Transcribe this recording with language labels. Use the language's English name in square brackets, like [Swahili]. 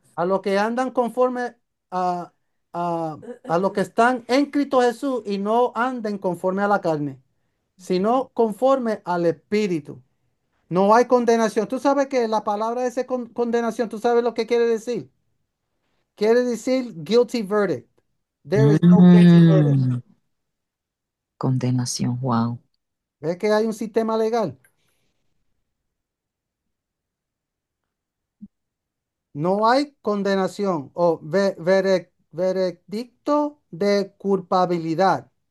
[Spanish] a los que andan conforme a los que están en Cristo Jesús y no anden conforme a la carne, sino conforme al Espíritu. No hay condenación. Tú sabes que la palabra es condenación, tú sabes lo que quiere decir. Quiere decir [English] guilty verdict. There is no guilty verdict. [Spanish] Condenación, wow. ¿Ves que hay un sistema legal? No hay condenación o veredicto de culpabilidad.